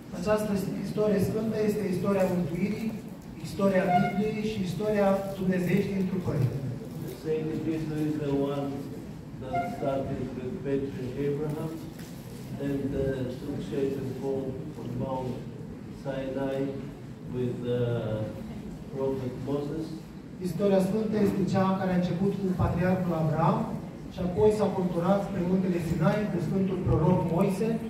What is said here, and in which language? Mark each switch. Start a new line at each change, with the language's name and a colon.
Romanian: Această istorie sfântă este istoria mântuirii, istoria Bibliei și istoria dumnezeiești în trupări.
English: The sacred history is the one that started with patriarch Abraham and took shape and form from Mount Sinai with prophet Moses.
Romanian: Istoria sfântă este cea care a început cu patriarhul Abraham și apoi s-a conturat pe muntele Sinai cu Sfântul proroc Moise.